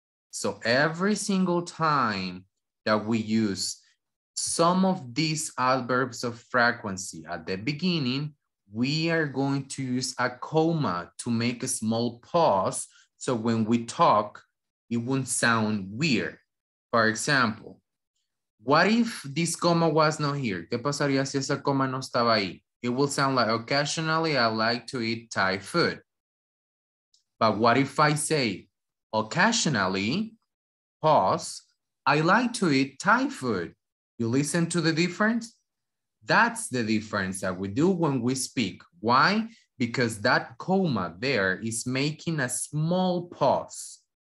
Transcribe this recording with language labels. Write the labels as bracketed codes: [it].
[en] So every single time that we use some of these adverbs of frequency at the beginning, we are going to use a comma to make a small pause. So when we talk, it won't sound weird. For example, what if this comma was not here? [es] ¿Qué pasaría si esa comma no estaba ahí? [en] It will sound like, occasionally, I like to eat Thai food. But what if I say, occasionally, pause, I like to eat Thai food. You listen to the difference? That's the difference that we do when we speak. Why? Because that comma there is making a small pause.